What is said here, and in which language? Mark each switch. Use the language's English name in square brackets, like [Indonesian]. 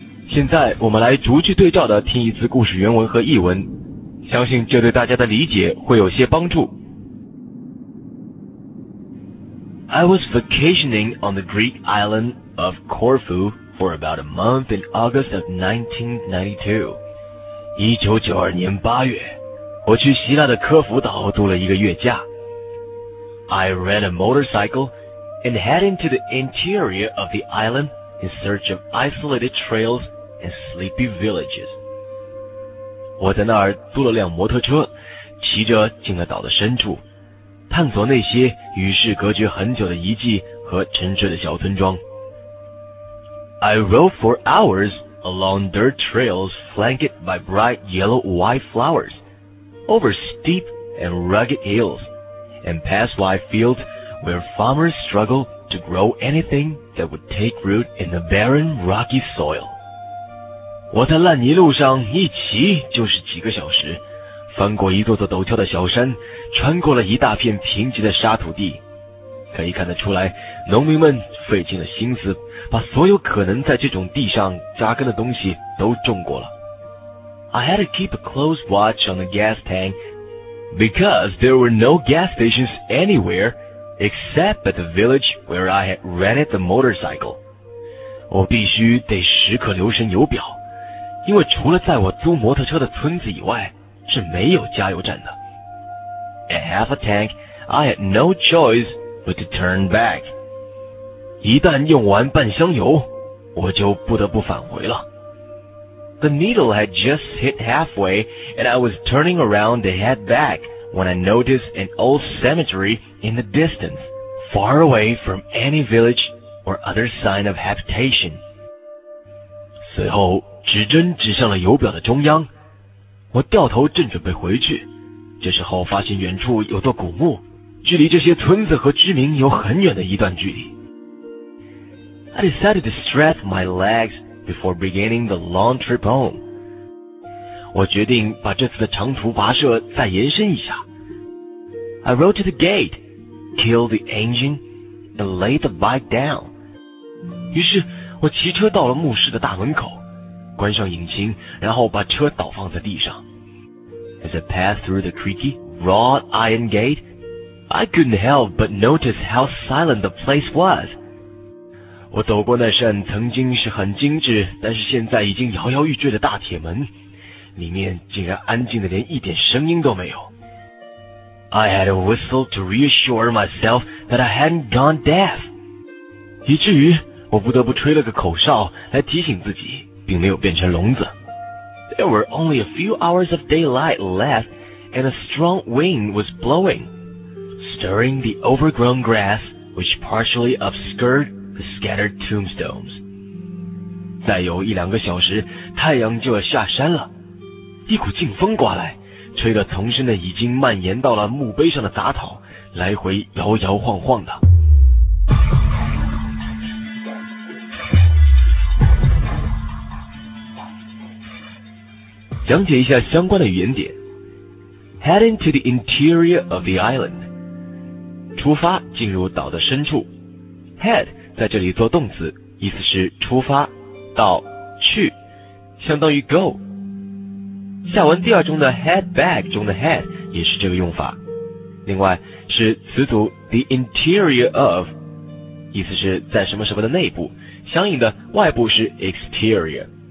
[Chinese] 现在我们来逐句对照的听一次故事原文和译文，相信这对大家的理解会有些帮助。 [English] I was vacationing on the Greek island of Corfu for about a month in August of 1992. [Chinese] 1992年8月，我去希腊的科孚岛度了一个月假。 [English] I rent a motorcycle and head into the interior of the island in search of isolated trails and sleepy villages. [Chinese] 我在那儿租了辆摩托车，骑着进了岛的深处，探索那些与世隔绝很久的遗迹和沉睡的小村庄。 [English] I rode for hours along dirt trails flanked by bright yellow white flowers, over steep and rugged hills, and past wide fields where farmers struggle to grow anything that would take root in the barren rocky soil. [Chinese] 我在烂泥路上一骑就是几个小时，翻过一座座陡峭的小山，穿过了一大片贫瘠的沙土地。可以看得出来，农民们费尽了心思，把所有可能在这种地上扎根的东西都种过了。 [English] I had to keep a close watch on the gas tank because there were no gas stations anywhere except at the village where I had rented the motorcycle. [Chinese] 我必须得时刻留神油表，因为除了在我租摩托车的村子以外是没有加油站的。 [English] At half a tank I had no choice but to turn back. [Chinese] 一旦用完半箱油，我就不得不返回了。 [English] The needle had just hit halfway and I was turning around to head back when I noticed an old cemetery in the distance, far away from any village or other sign of habitation. [Chinese] 随后指针指向了油表的中央，我掉头正准备回去，这时候发现远处有座古墓，距离这些村子和居民有很远的一段距离。 [English] I decided to stretch my legs before beginning the long trip home. [Chinese] 我决定把这次的长途跋涉再延伸一下。 [English] I rode to the gate, killed the engine, and laid the bike down. [Chinese] 于是我骑车到了墓室的大门口，关上引擎，然后把车倒放在地上。 [English] As I passed through the creaky, wrought iron gate, I couldn't help but notice how silent the place was. [Chinese] 我走过那扇曾经是很精致，但是现在已经摇摇欲坠的大铁门，里面竟然安静的连一点声音都没有。 [English] I had a whistle to reassure myself that I hadn't gone deaf. [Chinese] 以至于我不得不吹了个口哨来提醒自己并没有变成聋子。 [English] There were only a few hours of daylight left and a strong wind was blowing, stirring the overgrown grass which partially obscured the scattered tombstones. [Chinese] 再有一两个小时太阳就要下山了，一股劲风刮来，吹得丛生的已经蔓延到了墓碑上的杂草来回摇摇晃晃的。讲解一下相关的语言点。 [English] Head into the interior of the island， [Chinese] 出发进入岛的深处。 Head 在这里做动词，意思是出发到去，相当于 go。下文第二中的 head back 中的 head 也是这个用法。另外是词组 the interior of， 意思是在什么什么的内部，相应的外部是 exterior。